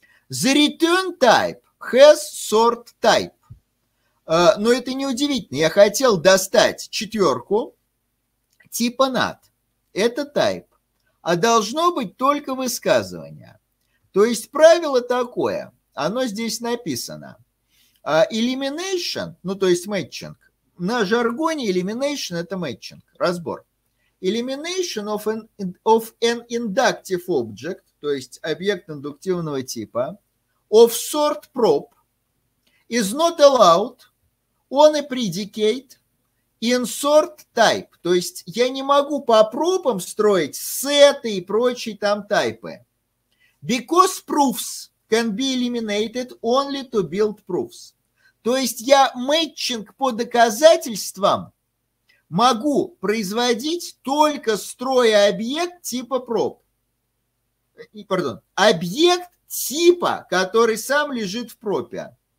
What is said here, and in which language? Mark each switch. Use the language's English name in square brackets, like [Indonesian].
[English] The return type has sort type. [Russian] Но это не удивительно. Я хотел достать четверку типа NAT. Это type. А должно быть только высказывание. То есть правило такое. Оно здесь написано. Elimination, ну то есть matching. На жаргоне elimination это matching. Разбор. [English] Elimination of an inductive object, [Russian] то есть объект индуктивного типа, [English] of sort prop, is not allowed on a predicate in sort type. [Russian] То есть я не могу по пропам строить сеты и прочие там тайпы. [English] Because proofs can be eliminated only to build proofs. [Russian] То есть я matching по доказательствам могу производить только строя объект типа проб. Пардон. Объект типа, который сам лежит в пропе.